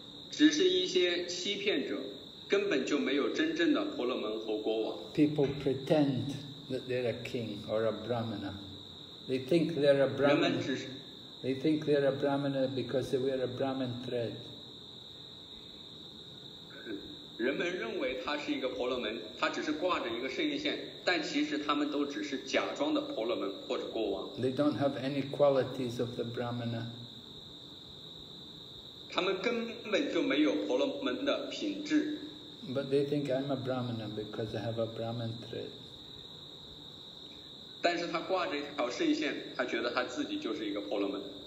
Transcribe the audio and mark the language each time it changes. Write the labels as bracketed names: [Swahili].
[Chinese] 只是一些欺骗者，根本就没有真正的婆罗门和国王。 [English] People pretend that they're a king or a Brahmana. They think they're a Brahmana. They think they're a Brahmana because they wear a Brahman thread. [Chinese] 人们认为他是一个婆罗门，他只是挂着一个圣衣线，但其实他们都只是假装的婆罗门或者国王。 [English] They don't have any qualities of the Brahmana. [Chinese] 他们根本就没有婆罗门的品质。 [English] But they think I'm a Brahmana because I have a Brahman thread. [Chinese] 但是他挂着一条圣衣线，他觉得他自己就是一个婆罗门。